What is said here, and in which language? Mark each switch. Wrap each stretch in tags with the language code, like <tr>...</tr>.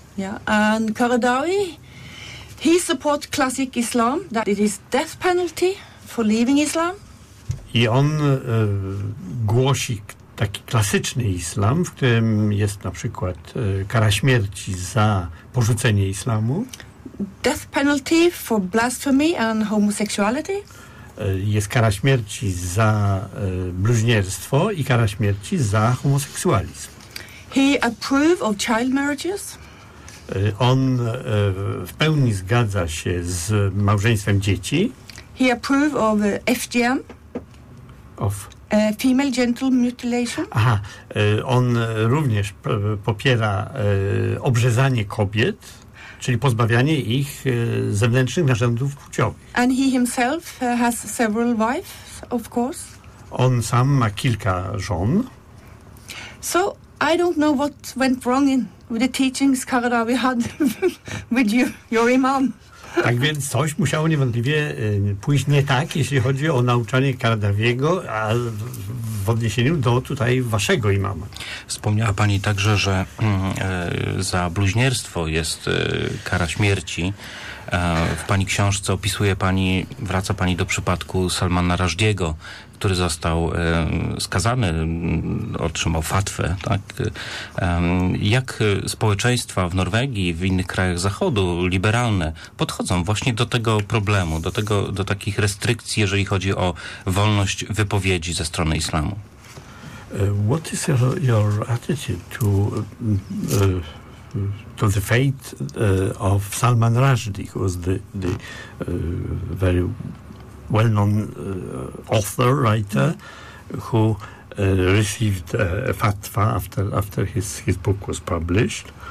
<en>Yeah, and Karadavi, he supports classic Islam, that it is death penalty for leaving Islam.</en> <pl>I on głosi taki klasyczny islam, w którym jest na przykład kara śmierci za porzucenie islamu.</pl> <en>Death penalty for blasphemy and homosexuality.</en> <pl>Jest kara śmierci za bluźnierstwo i kara śmierci za homoseksualizm.</pl> <en>He approve of child marriages.</en> <pl>On w pełni zgadza się z małżeństwem dzieci.</pl> <en>He approve of FGM. Of female genital mutilation.</en> <pl>Aha, on również popiera obrzezanie kobiet, czyli pozbawianie ich zewnętrznych narządów płciowych.</pl> <en>And he himself has several wives, of course.</en> <pl>On sam ma kilka żon.</pl> <en>So I don't know what went wrong in with the teachings Karadavi had with you, your imam.</en> <pl>Tak więc coś musiało niewątpliwie pójść nie tak, jeśli chodzi o nauczanie Karadaviego, a w odniesieniu do tutaj waszego imama. Wspomniała pani także, że za bluźnierstwo jest kara śmierci. W pani książce opisuje pani, wraca pani do przypadku Salmana Rushdiego, który został skazany, otrzymał fatwę. Tak? Jak społeczeństwa w Norwegii i w innych krajach Zachodu, liberalne, podchodzą właśnie do tego problemu, do takich restrykcji, jeżeli chodzi o wolność wypowiedzi ze strony islamu?</pl> <en>What is your attitude to the fate of Salman Rushdie, who was the very well-known author, writer, who received a fatwa after his book was published.</en>